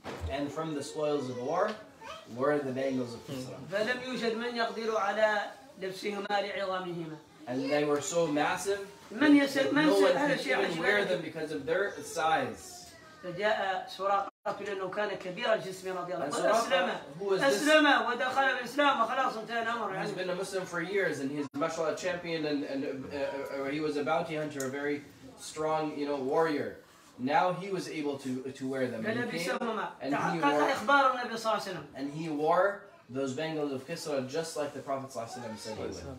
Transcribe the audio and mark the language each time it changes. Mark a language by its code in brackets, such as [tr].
[en] And from the spoils of war were the bangles of Kisra. And they were so massive that no one could even wear them because of their size. [ar] فجاء سراقة لأنه كان كبير الجسم رضي الله عنه أسلم ودخل الإسلام وخلاص انتهى الأمر. [en] He's been a Muslim for years and he's mashallah a champion and he was a bounty hunter, a very strong warrior. Now he was able to wear them. And he wore those bangles of Kisra just like the Prophet said he would.